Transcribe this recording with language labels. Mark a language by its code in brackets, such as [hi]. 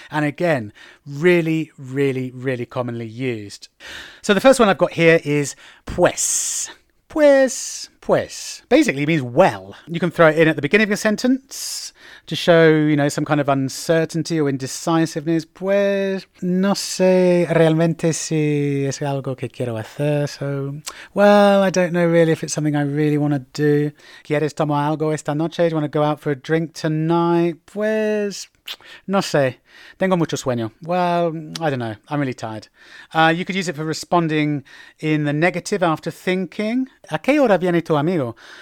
[en] And again, really, really, really commonly used. So the first one I've got here is pues. Pues, pues. Basically, it means well. You can throw it in at the beginning of a sentence to show, you know, some kind of uncertainty or indecisiveness. [es] Pues, no sé realmente si es algo que quiero hacer. [en] So, well, I don't know really if it's something I really want to do. [es] ¿Quieres tomar algo esta noche? [en] Do you want to go out for a drink tonight? [es] Pues, no sé. Tengo mucho sueño. [en] Well, I don't know. I'm really tired. You could use it for responding in the negative after thinking. [es] ¿A qué hora viene tu amigo?